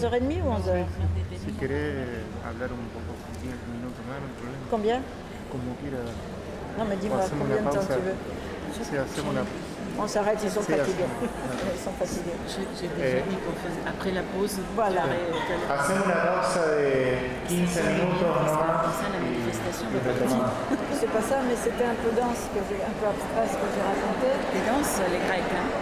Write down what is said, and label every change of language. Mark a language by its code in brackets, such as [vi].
[fr] Si tu veux parler un peu, 10 minutes moins, pas de problème. Combien? Comme dire, non mais dis-moi combien de temps tu veux. On s'arrête, ils sont fatigués. Ils sont fatigués. J'ai déjà dit après la pause. Voilà. [es] Hacemos una pausa de 15 minutos. [fr] La manifestation va pas exactement. C'est pas ça, mais c'était un peu dense, un peu abstrait ce que j'ai raconté. C'est dense, les Grecs, hein.